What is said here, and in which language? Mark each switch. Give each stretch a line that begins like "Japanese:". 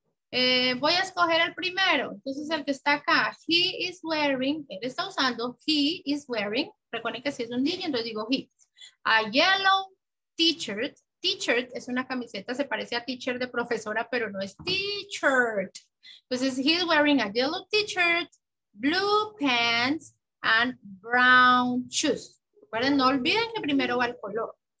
Spanish: Voy a escoger el primero. Entonces, el que está acá.
English: He is wearing.
Spanish: Él está usando.
English: He is wearing.
Spanish: Recuerden que si es un niño, entonces digo he.
English: A yellow t-shirt.
Spanish: T-shirt es una camiseta. Se parece a t-shirt de profesora, pero no es t-shirt.
English: Entonces, he is wearing a yellow t-shirt, blue pants, and brown shoes.
Spanish: Recuerden, no olviden que primero va el color.